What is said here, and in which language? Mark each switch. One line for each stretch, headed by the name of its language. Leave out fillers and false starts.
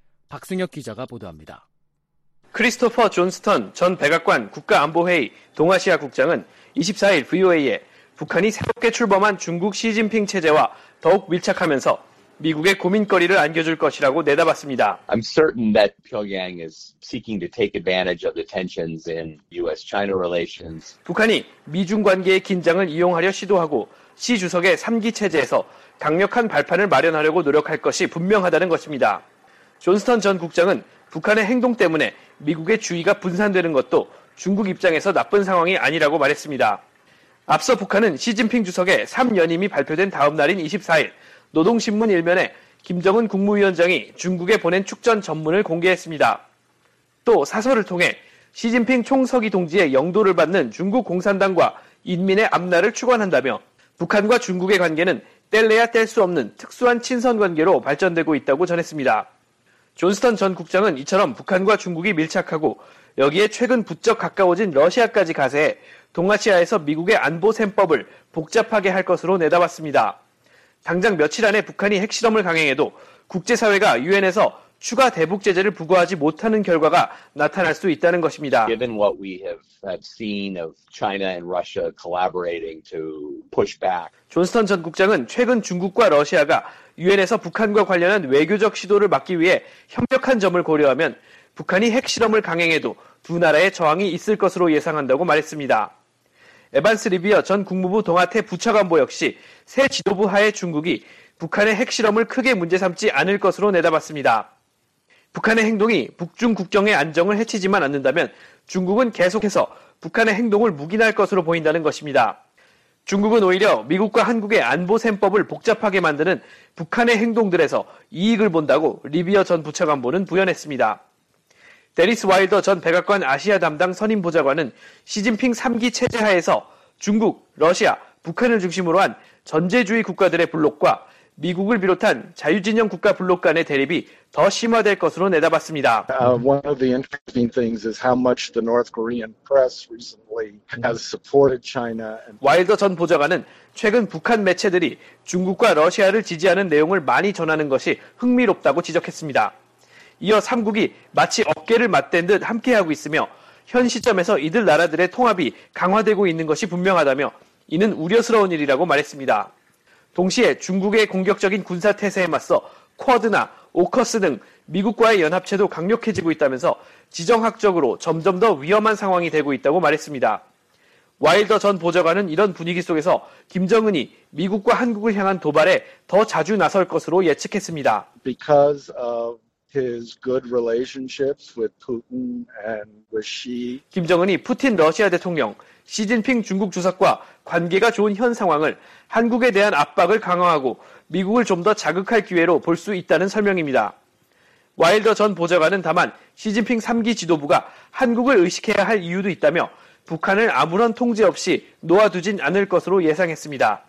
Korean: 박승혁 기자가 보도합니다. 크리스토퍼 존스턴 전 백악관 국가안보회의 동아시아 국장은 24일 VOA에 북한이 새롭게 출범한 중국 시진핑 체제와 더욱 밀착하면서 미국의 고민거리를 안겨줄 것이라고 내다봤습니다.
English: I'm certain that Pyongyang is seeking to take advantage of the tensions in U.S.-China relations.
Korean: 북한이 미중 관계의 긴장을 이용하려 시도하고 시 주석의 3기 체제에서 강력한 발판을 마련하려고 노력할 것이 분명하다는 것입니다. 존스턴 전 국장은 북한의 행동 때문에 미국의 주의가 분산되는 것도 중국 입장에서 나쁜 상황이 아니라고 말했습니다. 앞서 북한은 시진핑 주석의 3연임이 발표된 다음 날인 24일 노동신문 1면에 김정은 국무위원장이 중국에 보낸 축전 전문을 공개했습니다. 또 사설을 통해 시진핑 총서기 동지의 영도를 받는 중국 공산당과 인민의 앞날을 축원한다며 북한과 중국의 관계는 뗄래야 뗄 수 없는 특수한 친선관계로 발전되고 있다고 전했습니다. 존스턴 전 국장은 이처럼 북한과 중국이 밀착하고 여기에 최근 부쩍 가까워진 러시아까지 가세해 동아시아에서 미국의 안보 셈법을 복잡하게 할 것으로 내다봤습니다. 당장 며칠 안에 북한이 핵실험을 강행해도 국제사회가 유엔에서 추가 대북 제재를 부과하지 못하는 결과가 나타날 수 있다는 것입니다.
English: Given what we have seen of China and Russia collaborating to push back.
Korean: 존스턴 전 국장은 최근 중국과 러시아가 유엔에서 북한과 관련한 외교적 시도를 막기 위해 협력한 점을 고려하면 북한이 핵실험을 강행해도 두 나라의 저항이 있을 것으로 예상한다고 말했습니다. 에반스 리비어 전 국무부 동아태 부차관보 역시 새 지도부 하에 중국이 북한의 핵실험을 크게 문제 삼지 않을 것으로 내다봤습니다. 북한의 행동이 북중 국경의 안정을 해치지만 않는다면 중국은 계속해서 북한의 행동을 묵인할 것으로 보인다는 것입니다. 중국은 오히려 미국과 한국의 안보 셈법을 복잡하게 만드는 북한의 행동들에서 이익을 본다고 리비어 전 부차관보는 부연했습니다. 데리스 와일더 전 백악관 아시아 담당 선임 보좌관은 시진핑 3기 체제 하에서 중국, 러시아, 북한을 중심으로 한 전제주의 국가들의 블록과 미국을 비롯한 자유진영 국가 블록 간의 대립이 더 심화될 것으로 내다봤습니다.
English: One of the interesting things is how much the North Korean press recently has supported China.
Korean: 와일더 전 보좌관은 최근 북한 매체들이 중국과 러시아를 지지하는 내용을 많이 전하는 것이 흥미롭다고 지적했습니다. 이어 3국이 마치 어깨를 맞댄 듯 함께하고 있으며 현 시점에서 이들 나라들의 통합이 강화되고 있는 것이 분명하다며 이는 우려스러운 일이라고 말했습니다. 동시에 중국의 공격적인 군사 태세에 맞서 쿼드나 오커스 등 미국과의 연합체도 강력해지고 있다면서 지정학적으로 점점 더 위험한 상황이 되고 있다고 말했습니다. 와일더 전 보좌관은 이런 분위기 속에서 김정은이 미국과 한국을 향한 도발에 더 자주 나설 것으로 예측했습니다.
English: Because of his good relationships with Putin and with Xi.
Korean: 김정은이 푸틴 러시아 대통령, 시진핑 중국 주석과 관계가 좋은 현 상황을 한국에 대한 압박을 강화하고 미국을 좀 더 자극할 기회로 볼 수 있다는 설명입니다. 와일더 전 보좌관은 다만 시진핑 3기 지도부가 한국을 의식해야 할 이유도 있다며 북한을 아무런 통제 없이 놓아두진 않을 것으로 예상했습니다.